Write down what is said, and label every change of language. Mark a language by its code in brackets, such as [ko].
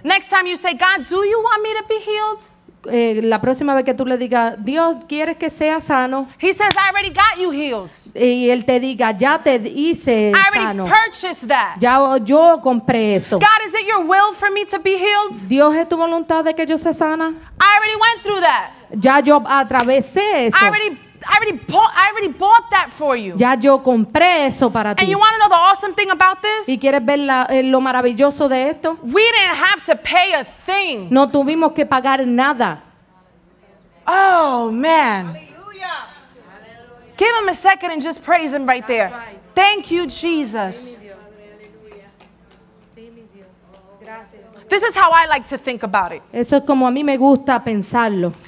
[en] Next time you say, God, do you want me to be healed? [es] La próxima vez que tú le digas, Dios, ¿quieres que sea sano? [en] He says, I already got you healed. [es] Y él te diga, ya te hice sano. [en] I already purchased that. [es] Ya yo compré eso. [en] God, is it your will for me to be healed? [es] Dios, ¿es tu voluntad de que yo sea sana? [en] I already went through that. [es] Ya yo atravesé eso. [en] I already bought that for you. [es] Ya yo compré eso para ti. [en] And you want to know the awesome thing about this? [es] ¿Y quieres ver lo maravilloso de esto? [en] We didn't have to pay a thing. [es] No tuvimos que pagar nada. [en] Oh man. Hallelujah. Give him a second and just praise him right there. Right. Thank you, Jesus. This is how I like to think about it. [es] Eso es como a mí me gusta pensarlo.